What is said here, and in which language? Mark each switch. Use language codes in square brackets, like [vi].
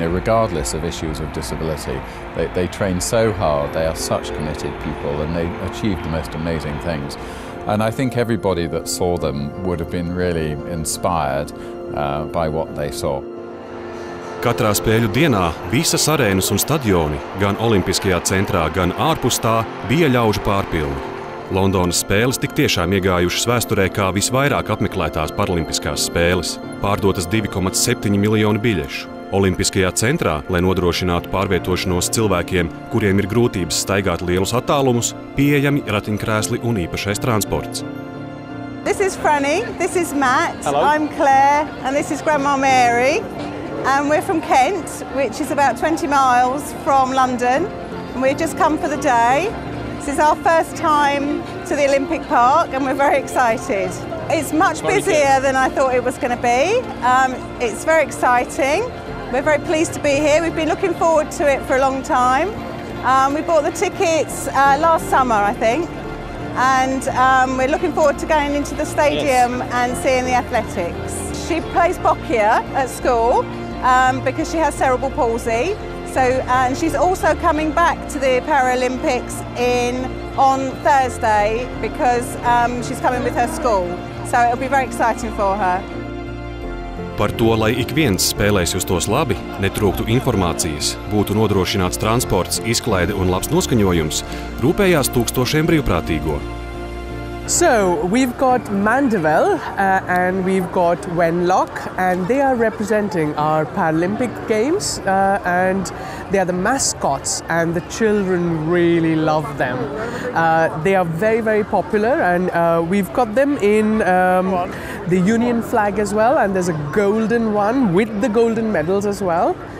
[en] You know, regardless of issues of disability, they train so hard, they are such committed people, and they achieve the most amazing things. And I think everybody that saw them would have been really inspired by what they saw. [lv] Katrā spēļu dienā visas arēnas un stadioni, gan olimpiskajā centrā, gan ārpus tā, bija ļaužu pārpilni. Londonas spēles tik tiešām iegājušas vēsturē kā visvairāk apmeklētās paralimpiskās spēles, pārdotas 2,7 miljoni biļešu. Olimpiskajā centrā, lai nodrošinātu pārvietošanos cilvēkiem, kuriem ir grūtības staigāt lielus attālumus, pieejami ratiņkrēsli un īpašais transports. [en] This is Franny, this is Matt, hello. I'm Claire, and this is Grandma Mary. And we're from Kent, which is about 20 miles from London, and we've just come for the day. This is our first time to the Olympic Park, and we're very excited. It's much busier than I thought it was going to be. It's very exciting. We're very pleased to be here. We've been looking forward to it for a long time. We bought the tickets last summer, I think, and we're looking forward to going into the stadium yes. and seeing the athletics. She plays boccia at school because she has cerebral palsy. So, and she's also coming back to the Paralympics on Thursday because she's coming with her school. So it'll be very exciting for her. [lv] Par to, lai ik viens spēlēs justos labi, netrūktu informācijas, būtu nodrošināts transports, izklaide un labs noskaņojums, rūpējās tūkstošiem brīvprātīgo. [en] So, we've got Mandevel and we've got Wenlock, and they are representing our Paralympic Games and they are the mascots, and the children really love them. They are very, very popular, and we've got them in the Union flag as well, and there's a golden one with the golden medals as well.